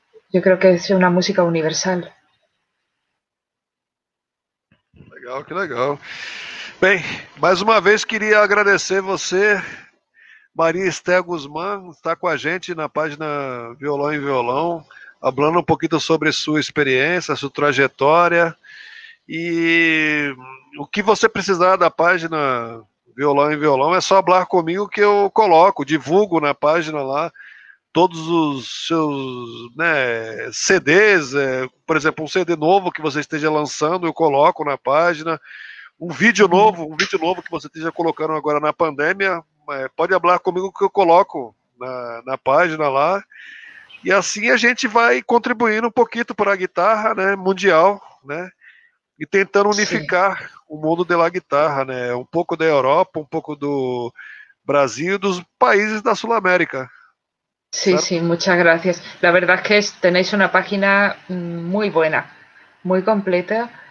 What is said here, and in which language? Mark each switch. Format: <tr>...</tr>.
<es>Yo creo que es una música universal.</es> <pt>Legal, que legal. Bem, mais uma vez queria agradecer você, Maria Esther Guzmán, está com a gente na página Violão em Violão, falando um pouquinho sobre sua experiência, sua trajetória e o que você precisar da página Violão em Violão é só falar comigo que eu coloco, divulgo na página lá todos os seus, né, CDs, por exemplo, um CD novo que você esteja lançando, eu coloco na página. Um vídeo novo que você esteja colocando agora na pandemia, pode falar comigo que eu coloco na página lá. E assim a gente vai contribuindo um pouquinho para a guitarra, né, mundial, né, e tentando unificar o mundo da guitarra, né, um pouco da Europa, um pouco do Brasil, dos países da Sul-América. Certo?</pt> <es>Sí, muchas gracias. La verdad es que tenéis una página muy buena, muy completa.</es>